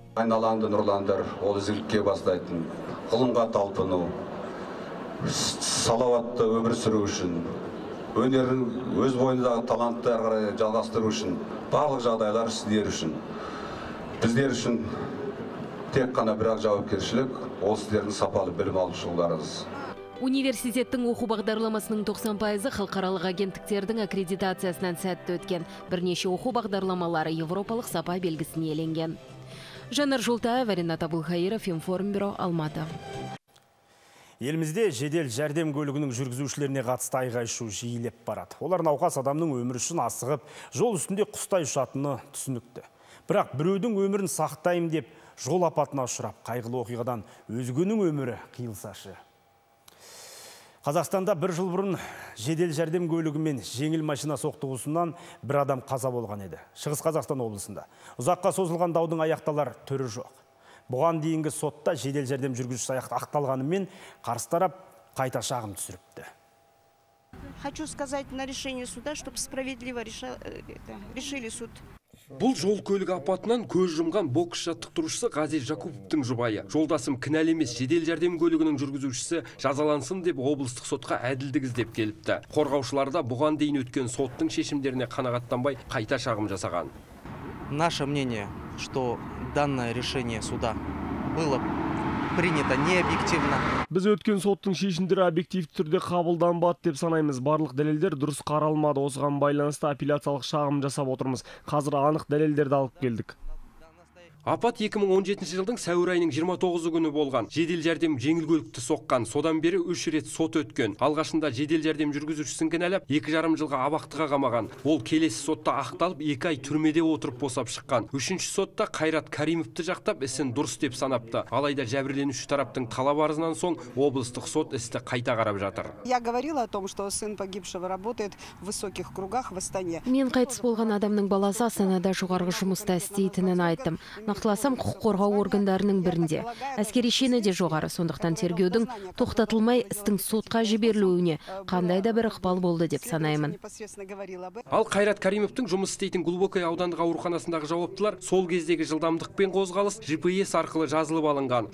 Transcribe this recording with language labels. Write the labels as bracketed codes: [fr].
[kk] Айналаңды нұрландыр, ол ізгілікке бастайтын, ғылымға талпыну, салауатты өмір сүру үшін, өнерін өз бойындағы талантты әрі қарай жалғастыру үшін, барлық жағдайлар сіздер үшін, біздер үшін тек қана бірақ жауапкершілік, ол сіздердің сапалы білім алу жолдарыңыз. Университеттің оқу бағдарламасының 90% халықаралық агенттіктердің аккредитациясынан сәтті өткен. Бірнеше оқу бағдарламалары европалық сапа белгісін иеленген. Жанар Жолтаева, Ренат Абулхаиров, Информбюро, Алматы. Елімізде жедел жәрдем көлігінің жүргізушілеріне қатысты айғай шу жиілеп барады. Олар науқас адамның өмірі үшін асығып, жол үстінде құстай ұшатыны түсінікті. Бірақ біреудің өмірін сақтайым деп, жол апатына ұшырап, қайғылы оқиғадан өзгенің өмірі қиылсашы. Қазақстанда бір жыл бұрын жедел жәрдем көлігімен жеңіл машина соқтығысынан бір адам қаза болған еді. Шығыс Қазақстан облысында. Ұзаққа созылған даудың аяқталар түрі жоқ. Бұған дейінгі сотта жедел жәрдем жүргізушісі аяқты ақталғанымен қарсы тарап қайта шағым түсіріпті. [ru] Хочу сказать на решение суда, чтобы справедливо решили суд. [kk] Бұл жол көлігі апатынан көз жұмған бокс жаттықтырушысы Ғази Жакуповтың жұбайы. Жолдасым кінәлі емес, жедел жәрдем көлігінің жүргізушісі жазалансын деп облыстық сотқа әділдік іздеп келіпті. Қорғаушылар да бұған дейін өткен соттың шешімдеріне қанағаттанбай қайта шағым жасаған. [ru] Наше мнение, что данное решение суда было принято необъективно. [kk] Біз өткен соттың шешімдері объективті түрде қабылданбады деп санаймыз. Барлық дәлелдер дұрыс қаралмады. Осыған байланысты апелляциялық шағым жасап отырмыз. Қазір анық дәлелдерді алып келдік. Апат 2017 жылдың сәуір айының 29 күні болған. Жедел жәрдем жеңіл көлікті соққан, содан бері 3 рет сот өткен. Алғашында жедел жәрдем жүргізушісін кінәлап 2,5 жылға абақтыға қамаған. Ол келесі сотта ақталып 2 ай түрмеде отырып босап шыққан. 3-ші сотта Қайрат Каримовты жақтап ісін дұрыс деп санапты. Алайда жәбірленуші тараптың талап арызынан соң облыстық сот істі қайта қарап жатыр. [ru] Я говорила о том, что сын погибшего работает в высоких кругах в Астане. [kk] Мен қайтыс болған адамның баласы Астанада жоғарғы жұмыста істейтінін айттым. нақтыласам, құқық қорғау органдарының бірінде. Әскери шені де жоғары, сондықтан тергеудің тоқтатылмай істің сотқа жіберілуіне қандай да бір ықпал болды деп санаймын. Ал Қайрат Каримовтың жұмыс істейтін Глубокой аудандық ауруханасындағы жауаптылар сол кездегі жылдамдықпен қозғалыс GPS арқылы жазылып алынған.